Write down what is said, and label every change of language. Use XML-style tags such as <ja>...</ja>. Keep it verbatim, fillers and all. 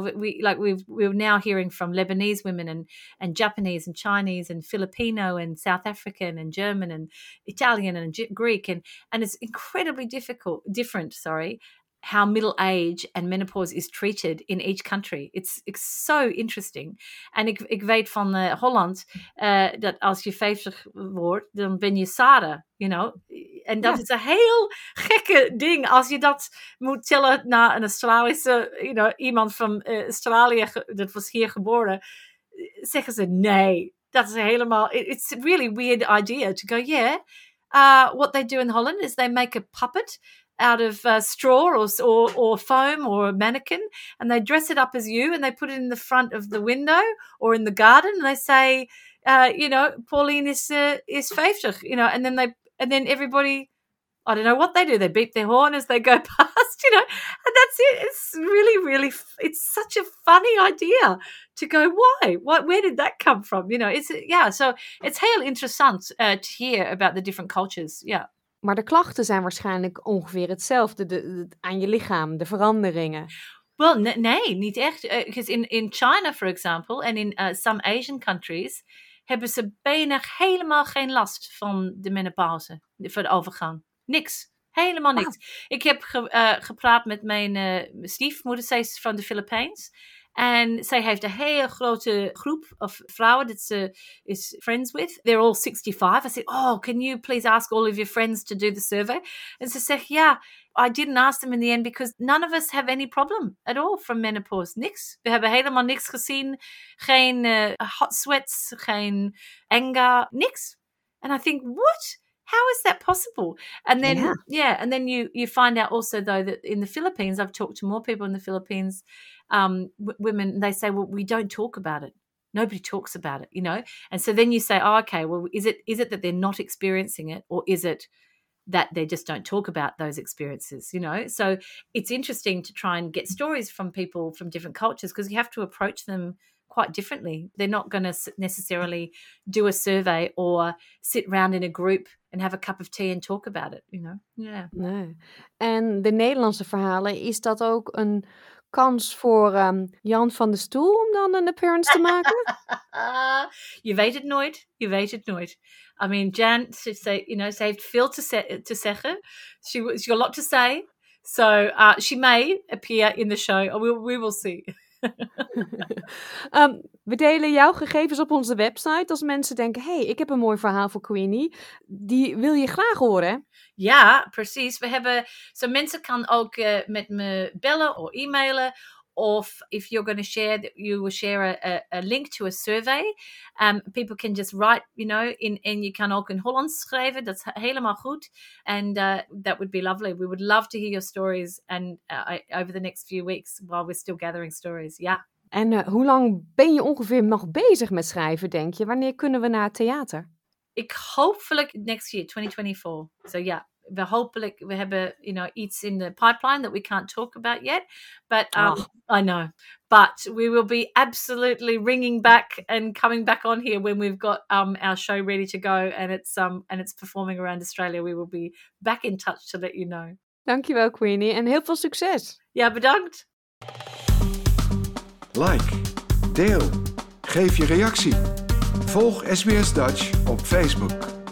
<en>We like we've, we're now hearing from Lebanese women and and Japanese and Chinese and Filipino and South African and German and Italian and Greek, and and it's incredibly difficult different sorry how middle age and menopause is treated in each country. It's, it's so interesting.</en> <nl>En ik, ik weet van uh, Holland uh, dat als je vijftig wordt, dan ben je Sarah,</nl> <en>you know.</en> <nl>En dat ja. is een heel gekke ding als je dat moet tellen naar een Australische,</nl> <en>you know,</en> <nl>iemand van uh, Australië, dat was hier geboren, zeggen ze nee. Dat is helemaal,</nl> <en>it's a really weird idea to go, yeah. Uh, what they do in Holland is they make a puppet out of uh, straw or, or or foam or a mannequin, and they dress it up as you, and they put it in the front of the window or in the garden, and they say, uh, you know, Pauline is uh,</en> <nl>is vijftig,</nl> <en>you know, and then they and then everybody, I don't know what they do. They beat their horn as they go past, you know, and that's it. It's really, really, it's such a funny idea to go, why? What? Where did that come from? You know, it's, yeah, so it's</en> <nl>heel interessant</nl> <en>uh, to hear about the different cultures, yeah.</en> <nl>Maar de klachten zijn waarschijnlijk ongeveer hetzelfde de, de, aan je lichaam, de veranderingen.</nl> <en>Well,</en> <nl>nee, nee, niet echt.</nl> <en>Because uh, in, in China, for example, and in uh, some Asian countries,</en> <nl>hebben ze bijna helemaal geen last van de menopauze, van de overgang. Niks. Helemaal niks. Ah. Ik heb ge, uh, gepraat met mijn uh, stiefmoeder, zij is van de Philippines. En zij heeft een hele grote groep of vrouwen</nl> <en>that</en> <nl>ze</nl> <en>is friends with. They're all sixty-five. I said, oh, can you please ask all of your friends to do the survey?</en> <nl>En ze zegt, ja,</nl> <en>I didn't ask them in the end because none of us have any problem at all from menopause.</en> <nl>Niks. We hebben helemaal niks gezien. Geen uh,</nl> <en>hot sweats,</en> <nl>geen</nl> <en>anger,</en> <nl>niks.</nl> <en>And I think, what? How is that possible? And then, yeah, yeah and then you, you find out also, though, that in the Philippines, I've talked to more people in the Philippines, um, w- women, they say, well, we don't talk about it. Nobody talks about it, you know. And so then you say, oh, okay, well, is it is it that they're not experiencing it, or is it that they just don't talk about those experiences, you know? So it's interesting to try and get stories from people from different cultures, because you have to approach them quite differently. They're not going to necessarily do a survey or sit round in a group and have a cup of tea and talk about it, you know? Yeah.</en> <nl>Nee. En de Nederlandse verhalen, is dat ook een kans voor um, Jan van de Stoel om dan een appearance te maken? Je weet het nooit. Je weet het nooit.</nl> <en>I mean,</en> <nl>Jan,</nl> <en>she say, you know,</en> <nl>ze heeft veel te, ze- te zeggen.</nl> <en>She, she's got a lot to say. So uh, she may appear in the show. We, we will see.</en> <nl>um, we delen jouw gegevens op onze website. Als mensen denken, hey, ik heb een mooi verhaal voor Queenie. Die wil je graag horen, hè? Ja, precies. We hebben,</nl> <en>so</en> <nl>mensen kan ook uh, met me bellen of e-mailen.</nl> <en>Of if you're going to share, you will share a, a, a link to a survey. Um, people can just write, you know, in,</en> <nl>en je kan ook in Hollands schrijven. Dat is helemaal goed.</nl> <en>And uh, that would be lovely. We would love to hear your stories and uh, over the next few weeks while we're still gathering stories. Ja. Yeah.</en> <nl>En uh, hoe lang ben je ongeveer nog bezig met schrijven, denk je? Wanneer kunnen we naar het theater? Ik hopelijk</nl> <en>next year, twenty twenty-four. So ja. Yeah. We hopefully we have a, you know, it's in the pipeline that we can't talk about yet, but um, oh. I know, but we will be absolutely ringing back and coming back on here when we've got um our show ready to go and it's um and it's performing around Australia. We will be back in touch to let you know.</en> <nl>Dankjewel, Queenie, en heel veel succes. Ja, bedankt. Like, deel, geef je reactie. Volg S B S Dutch op Facebook.</nl>